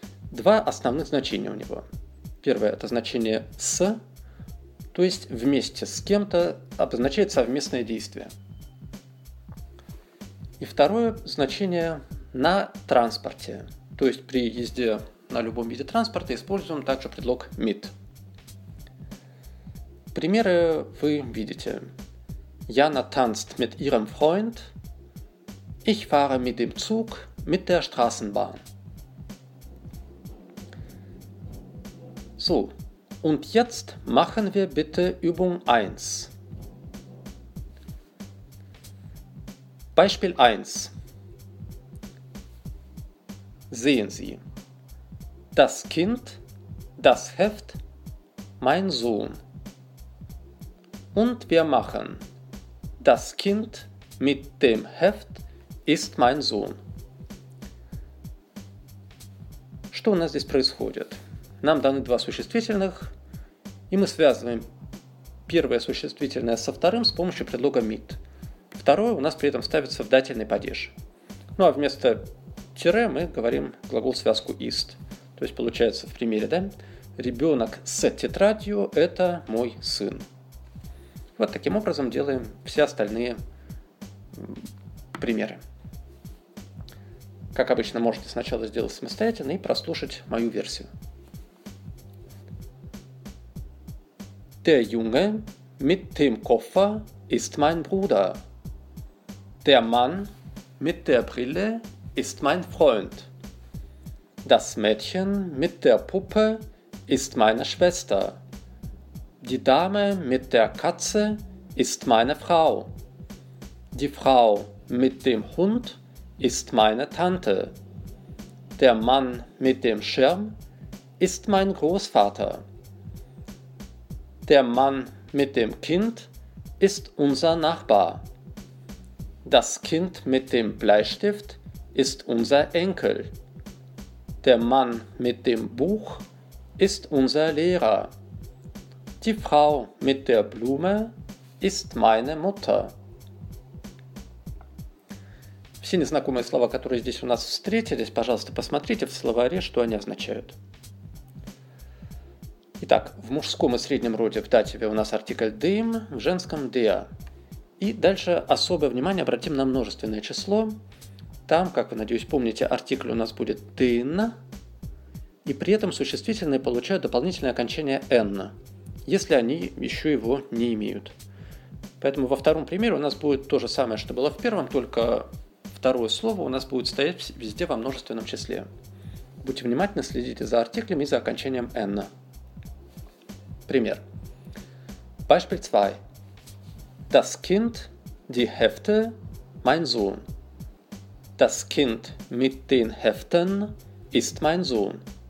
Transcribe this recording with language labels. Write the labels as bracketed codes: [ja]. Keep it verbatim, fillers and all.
[ru] Два основных значения у него. Первое – это значение «с», то есть вместе с кем-то обозначает совместное действие. И второе значение на транспорте, то есть при езде на любом виде транспорта используем также предлог mit. Примеры вы видите. [de] Jana tanzt mit ihrem Freund. Ich fahre mit dem Zug, mit der Straßenbahn. So. Und jetzt machen wir bitte Übung eins. Beispiel eins. Sehen Sie. Das Kind, das Heft, mein Sohn. Und wir machen. Das Kind mit dem Heft ist mein Sohn. [ru] Что у нас здесь происходит? Нам даны два существительных, и мы связываем первое существительное со вторым с помощью предлога mit. Второе у нас при этом ставится в дательный падеж. Ну а вместо тире мы говорим глагол-связку ist. То есть получается в примере, да? Ребенок с тетрадью – это мой сын. Вот таким образом делаем все остальные примеры. Как обычно, можете сначала сделать самостоятельно и прослушать мою версию. [de] Der Junge mit dem Koffer ist mein Bruder. Der Mann mit der Brille ist mein Freund. Das Mädchen mit der Puppe ist meine Schwester. Die Dame mit der Katze ist meine Frau. Die Frau mit dem Hund ist meine Tante. Der Mann mit dem Schirm ist mein Großvater. Der Mann mit dem Kind ist unser Nachbar. Das Kind mit dem Bleistift ist unser Enkel. Der Mann mit dem Buch ist unser Lehrer. Die Frau mit der Blume ist meine Mutter. [ru] Все незнакомые слова, которые здесь у нас встретились, пожалуйста, посмотрите в словаре, что они означают. Итак, в мужском и среднем роде в дативе у нас артикль dem, в женском der. И дальше особое внимание обратим на множественное число. Там, как вы, надеюсь, помните, артикль у нас будет den, и при этом существительные получают дополнительное окончание n, если они еще его не имеют. Поэтому во втором примере у нас будет то же самое, что было в первом, только второе слово у нас будет стоять везде во множественном числе. Будьте внимательны, следите за артиклями и за окончанием n. Пример. [de] Beispiel zwei. Das Kind, die Hefte, mein Sohn. Das Kind mit den Heften ist mein Sohn.